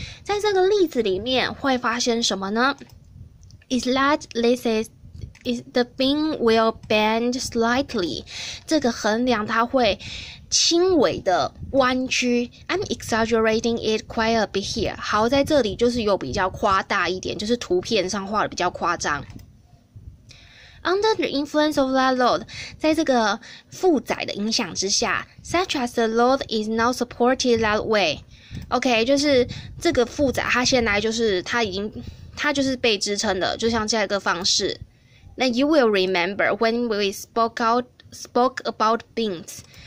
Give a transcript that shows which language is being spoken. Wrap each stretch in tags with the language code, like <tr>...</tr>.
<zh>在这个例子里面会发生什么呢？</zh> <en>Is that this is the beam will bend slightly.</en> <zh>这个横梁它会轻微的弯曲。</zh> <en>I'm exaggerating it quite a bit here.</en> <zh>好，在这里就是有比较夸大一点，就是图片上画的比较夸张。</zh> <en>Under the influence of that load,</en> <zh>在这个负载的影响之下</zh> <en>,such as the load is now supported that way.</en> <zh>OK, 就是这个负载它现在就是它就是被支撑的，就像这个方式。</zh> <en>Now you will remember when we spoke about beams.</en>